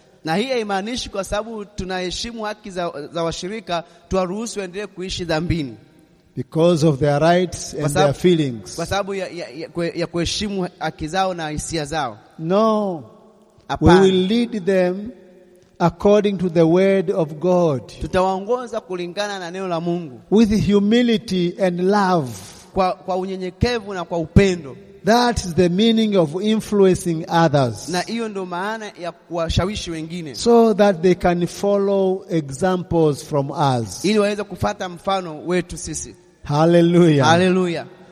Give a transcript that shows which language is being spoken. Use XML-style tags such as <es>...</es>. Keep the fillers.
<sw>Na hii haimaanishi kwa sababu tunaheshimu haki za, za washirika tuwaruhusu endelee kuishi dhambini.</sw> <en>Because of their rights and their feelings.</en> <sw>Kwa sababu ya, ya, ya kuheshimu haki zao na hisia zao. No. Apana.</sw> <en>We will lead them according to the word of God.</en> <sw>Tutawaongoza kulingana na neno la Mungu.</sw> <en>With humility and love.</en> <sw>Kwa unyenyekevu na kwa upendo.</sw> <en>That is the meaning of influencing others.</en> <sw>Na hiyo ndio maana ya kuwashawishi wengine.</sw> <en>So that they can follow examples from us.</en> <sw>Ili waweze kufata mfano wetu sisi. Hallelujah. Hallelujah.</sw>